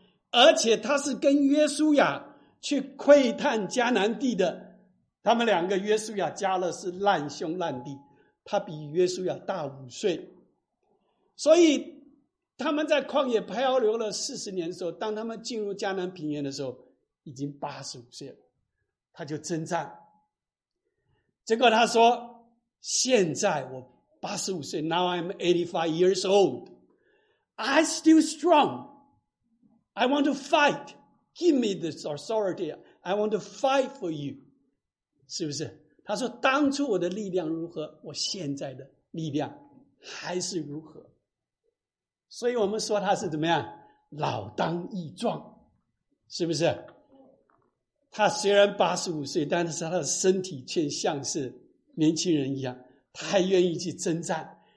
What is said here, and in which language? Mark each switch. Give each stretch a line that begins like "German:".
Chinese: 而且他是跟约书亚去窥探迦南地的，他们两个约书亚加勒是烂兄烂弟，他比约书亚大五岁。所以他们在旷野漂流了40年的时候，当他们进入迦南平原的时候已经85岁了。他就征战，结果他说，现在我85岁，
English: Now I'm 85 years old, I still strong, I want to fight, give me this authority, I want to fight for you,
Chinese: 是不是？他说，当初我的力量如何，我现在的力量还是如何。所以我们说他是怎么样，老当益壮，是不是？他虽然85岁，但是他的身体却像是年轻人一样，他还愿意去征战。